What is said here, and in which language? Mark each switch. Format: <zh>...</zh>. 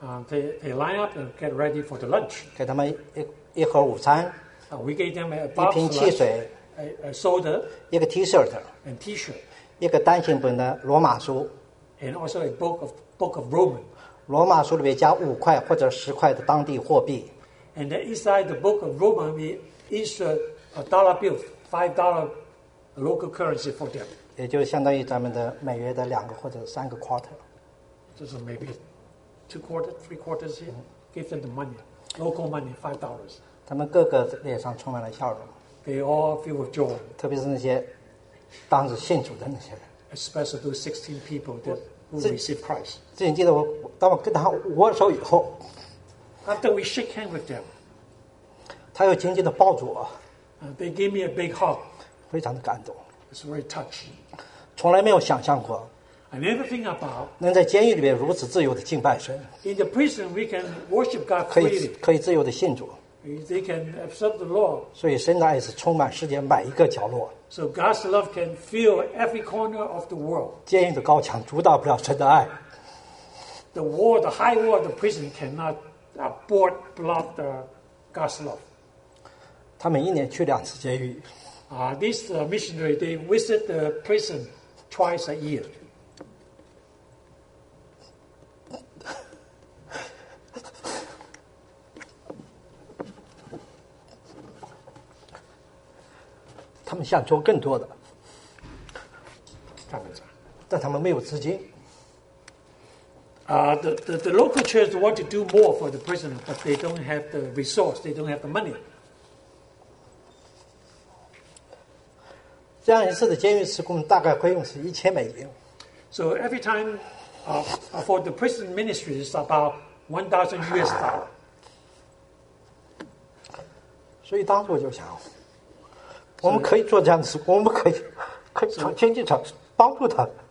<en>They line up and get ready for the lunch.</en> <zh>给他们一盒午餐。</zh> <en>We gave them a box.</en> <zh>一瓶汽水。</zh> <en>A soda.</en> <zh>一个 T-shirt.</zh> <en>And T-shirt.</en> <zh>一个单行本的罗马书。</zh> <en>And also a book of Roman.</en> <zh>罗马书里面加五块或者十块的当地货币。</zh> <en>And then inside the book of Roman, we insert a dollar bill, $5 local currency for them.</en> <zh>也就相当于咱们的每月的两个或者三个 quarter。就是</zh> <en>maybe two quarters, three quarters here, give them the money, local money, $5.</en> <zh>他们个个脸上充满了笑容。</zh> <en>They all feel with joy.</en> <zh>特别是那些当时信主的那些人。</zh> <en>Especially those 16 people that who received Christ.</en> <zh>自己记得我当我跟他握手以后。</zh> <en>After we shake hands with them.</en> <zh>他又紧紧地抱住我。</zh> <en>They gave me a big hug.</en> <zh>非常的感动。</zh> <en>It's very touching.</en> <zh>从来没有想象过。</zh> <en>I never think about.</en> <zh>能在监狱里面如此自由的敬拜神。</zh> <en>In the prison, we can worship God freely.</en> <zh>可以自由的信主。</zh> <en>They can accept the law.</en> <zh>所以神的爱是充满世界每一个角落。</zh> <en>So God's love can fill every corner of the world.</en> <zh>监狱的高墙阻挡不了神的爱。</zh> <en>The wall, the high wall of the prison cannot abort block the God's love.</en> <zh>他每一年去两次监狱。</zh> <en>These missionaries, they visit the prison twice a year.</en> <zh>他们想做更多的，但他们没有资金。</zh> <en>The local church want to do more for the prisoner, but they don't have the resource, they don't have the money.</en> <zh>这样一次的监狱施工大概费用是$1,000。</zh> <en>So every time, for the prison ministry is about $1,000.</en> <zh>所以当时我就想。我们可以做这样的事，我们可以从经济上帮助他。</zh>